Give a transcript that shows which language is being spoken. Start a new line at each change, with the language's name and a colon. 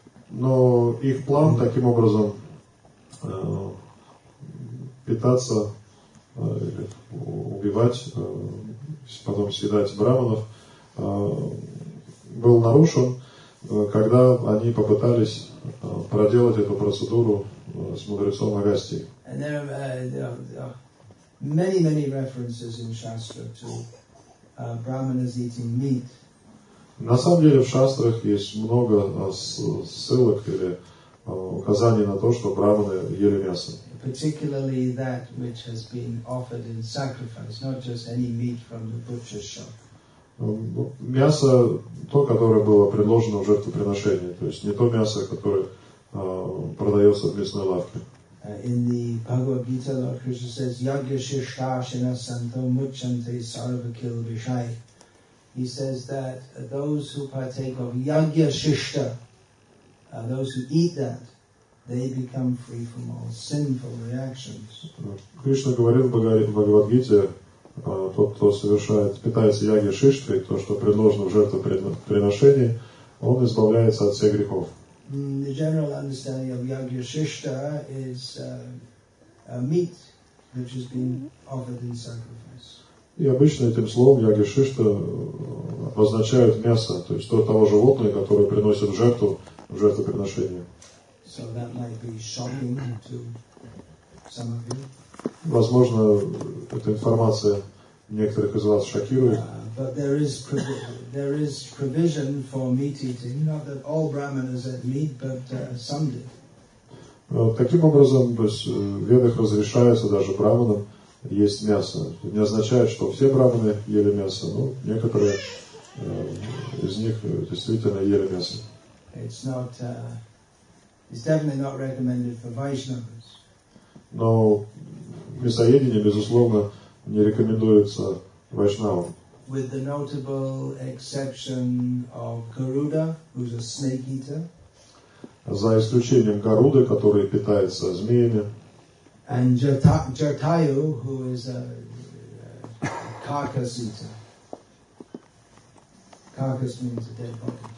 Russian: Но их план таким образом питаться убивать, потом съедать брахманов, был нарушен, когда они попытались проделать эту процедуру с мудрецом Агастьей.
English: And there are many, many references in Shastra to brahmanas eating meat.
Russian: На самом деле в шастрах есть много ссылок или указаний на то, что брахманы ели мясо.
English: Particularly that which has been offered in sacrifice, not just any meat from the butcher's shop.
Russian: Мясо, то, которое было предложено в жертвоприношение, то есть не то мясо, которое продается в мясной лавке.
English: In the Bhagavad Gita, Lord Krishna says,
Sanskrit: Yagya-shishtashina santo mucchante sarvakil vishai.
English: He says that those who partake of Yagya-shishta, those who eat that, they become free from all sinful reactions.
Russian: Кришна говорит в Бхагавадгите, тот, кто совершает, питается ягья-шиштхой, то, что предложено в жертвоприношении, он избавляется от всех грехов.
English: The general understanding of ягья-шиштха is a meat which has been offered in sacrifice.
Russian: И обычно этим словом ягья-шиштха обозначают мясо, то есть то того животное, которое приносит в жертву в жертвоприношение.
English: So that might be shocking to some of you.
Russian: Возможно, эта информация некоторых из вас шокирует.
English: But there is provision for meat eating. Not that all brahmanas ate meat, but some did.
Russian: Таким образом, то есть, в ведах разрешается даже брахманам есть мясо. Это не означает, что все брахманы ели мясо, но некоторые из них действительно ели мясо.
English: It's not. It's definitely not recommended for Vaishnavas.
Russian: Но мясоедение, безусловно, не рекомендуется Вайшнавам.
English: With the notable exception of Garuda, who's a snake eater.
Russian: За исключением Гаруды, который питается змеями.
English: And Jatayu, who is a carcass eater. Carcass means a dead body.